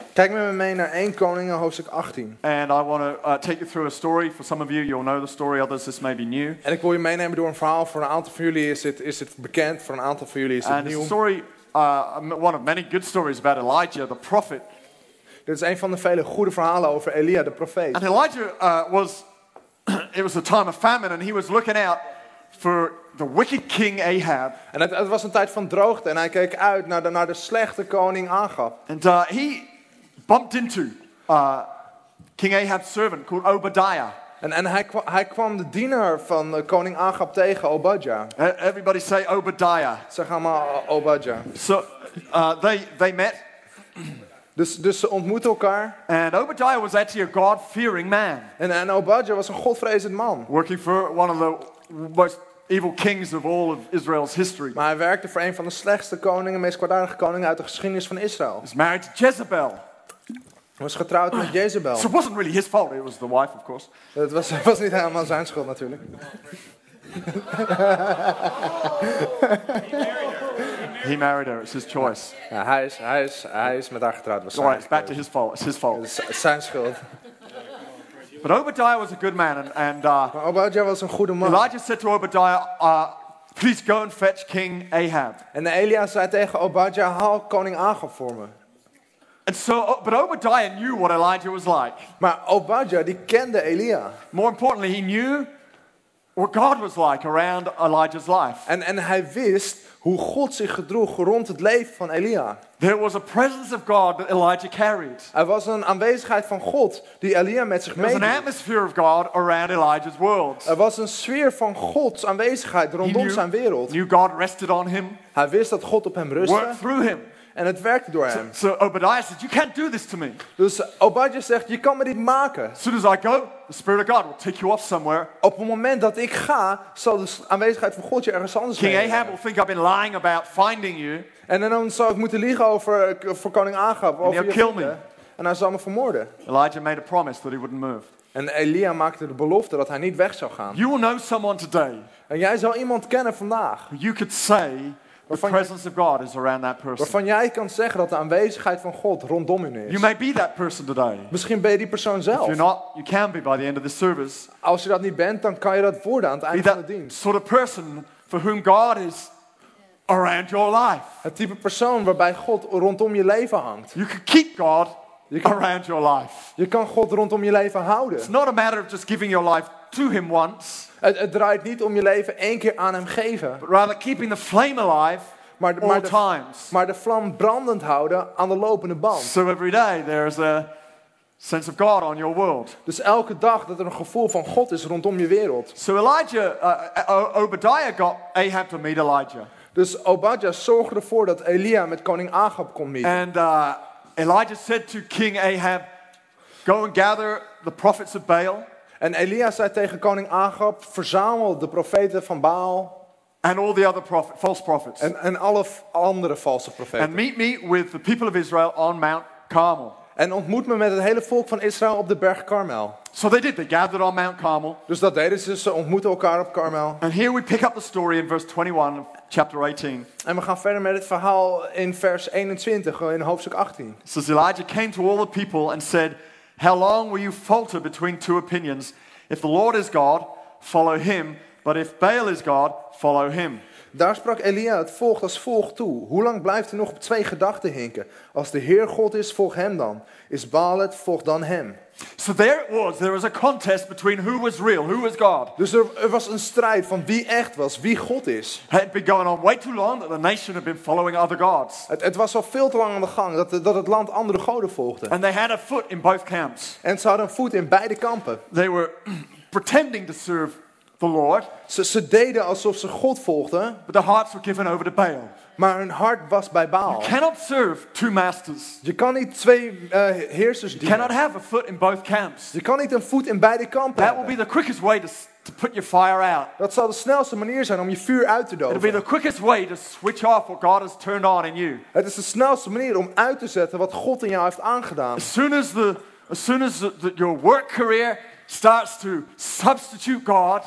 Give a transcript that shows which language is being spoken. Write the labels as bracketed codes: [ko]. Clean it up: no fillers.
[nl] Kijk met me mee naar 1 Koningen hoofdstuk 18. [en] And I want to take you through a story. For some of you, you'll know the story. Others, this may be new. [nl] En ik wil je meenemen door een verhaal. Voor een aantal van jullie is het bekend. Voor een aantal van jullie is het [en] and [nl] nieuw. [en] And the story, one of many good stories about Elijah, the prophet. [nl] Dit is een van de vele goede verhalen over Elia, de profeet. [en] And Elijah was a time of famine, and he was looking out for the wicked king Ahab. [nl] En het was een tijd van droogte, en hij keek uit naar de slechte koning Ahab. [en] And he bumped into King Ahab's servant called Obadiah. [nl] En hij kwam de diener van koning Ahab tegen, Obadiah. [en] Everybody say Obadiah. [nl] Zeg allemaal Obadiah. [en] So they met. [nl] Dus ze ontmoeten elkaar. [en] And Obadiah was actually a God-fearing man. [nl] En Obadiah was een godvrezend man. [en] Working for one of the most evil kings of all of Israel's history. [nl] Maar hij werkte voor een van de slechtste koningen, meest kwaadaardige koningen uit de geschiedenis van Israël. [en] He's married to Jezebel. [nl] Was getrouwd met Jezebel. [en] So it wasn't really his fault. It was the wife, of course. [nl] Het was niet helemaal zijn schuld, natuurlijk. [en] He married her. It's his choice. [nl] Ja, hij is met haar getrouwd. [en] All right, it's back to his fault. It's his fault. [nl] Zijn schuld. [en] But Obadiah was a good man, and [nl] Obadiah was een goede man. [en] Elijah said to Obadiah, "Please go and fetch King Ahab." [nl] En Elia zei tegen Obadiah, "Haal koning Ahab voor me." [en] And so, but Obadiah knew what Elijah was like. [nl] Maar Obadiah die kende Elia. [en] More importantly, he knew what God was like around Elijah's life. [nl] En hij wist hoe God zich gedroeg rond het leven van Elia. [en] There was a presence of God that Elijah carried. [nl] Er was een aanwezigheid van God die Elia met zich meenam. [en] There was an atmosphere of God around Elijah's world. [nl] Er was een sfeer van Gods aanwezigheid rondom zijn wereld. [en] Knew God rested on him. [nl] Hij wist dat God op hem rustte. [en] Worked through him. [nl] En het werkte door hem. [en] So Obadiah said, "You can't do this to me." [nl] Dus Obadiah zegt, je kan me dit maken. [en] As soon as I go, the Spirit of God will take you off somewhere. [nl] Op het moment dat ik ga, zal de aanwezigheid van God je ergens anders [en] King Ahab [nl] hebben. [en] Will think I've been lying about finding you. [nl] En dan zou ik moeten liegen voor koning Ahab. [en] And he'll kill me. [nl] En hij zal me vermoorden. [en] Elijah made a promise that he wouldn't move. [nl] En Elia maakte de belofte dat hij niet weg zou gaan. [en] You will know someone today. [nl] En jij zal iemand kennen vandaag. [en] You could say. The presence of God is around that person. [nl] Waarvan jij kan zeggen dat de aanwezigheid van God rondom je is. [en] You may be that person today. [nl] Misschien ben je die persoon zelf. [en] If you're not, you can be by the end of this service. [nl] Als je dat niet bent, dan kan je dat worden aan het einde van de dienst. [en] Sort of person for whom God is around your life. [nl] Het type persoon waarbij God rondom je leven hangt. [en] You can keep God around your life. [nl] Je kan God rondom je leven houden. [en] It's not a matter of just giving your life to him once. [nl] Het draait niet om je leven één keer aan hem geven. [en] But rather keeping the flame alive all times. [nl] Maar de vlam brandend houden aan de lopende band. [en] So every day there's a sense of God on your world. [nl] Dus elke dag dat er een gevoel van God is rondom je wereld. [en] So Elijah, Obadiah got Ahab to meet Elijah. [nl] Dus Obadiah zorgde ervoor dat Elia met koning Ahab kon meeten. [en] And Elijah said to King Ahab, "Go and gather the prophets of Baal." [nl] En Elia zei tegen koning Ahab, verzamel de profeten van Baal. [en] And all the other false prophets. [nl] En alle andere valse profeten. [en] And meet me with the people of Israel on Mount Carmel. [nl] En ontmoet me met het hele volk van Israël op de berg Carmel. [en] So they did. They gathered on Mount Carmel. [nl] Dus dat deden ze. Ze ontmoetten elkaar op Carmel. [en] And here we pick up the story in verse 21 of chapter 18. [nl] En we gaan verder met het verhaal in vers 21 in hoofdstuk 18. [en] So Elijah came to all the people and said, "How long will you falter between two opinions? If the Lord is God, follow him. But if Baal is God, follow him." [nl] Daar sprak Elia het volk als volgt toe. Hoe lang blijft u nog op twee gedachten hinken? Als de Heer God is, volg hem dan. Is Baal het, volg dan hem. [en] So there it was. There was a contest between who was real, who was God. [nl] Dus er was een strijd van wie echt was, wie God is. [en] It had been going on way too long that the nation had been following other gods. [nl] Het was al veel te lang aan de gang dat het land andere goden volgde. [en] And they had a foot in both camps. [nl] En ze hadden een voet in beide kampen. [en] They were pretending to serve the Lord. [nl] Ze deden alsof ze God volgden. [en] But their hearts were given over to Baal. [nl] Maar hun hart was bij Baal. [en] You cannot serve two masters. [nl] Je kan niet twee heersers dienen. [en] You cannot have a foot in both camps. [nl] Je kan niet een voet in beide kampen. [en] That will be the quickest way to put your fire out. [nl] Dat zal de snelste manier zijn om je vuur uit te doven. [en] It'll be the quickest way to switch off what God has turned on in you. [nl] Het is de snelste manier om uit te zetten wat God in jou heeft aangedaan. [en] As soon as your work career starts to substitute God.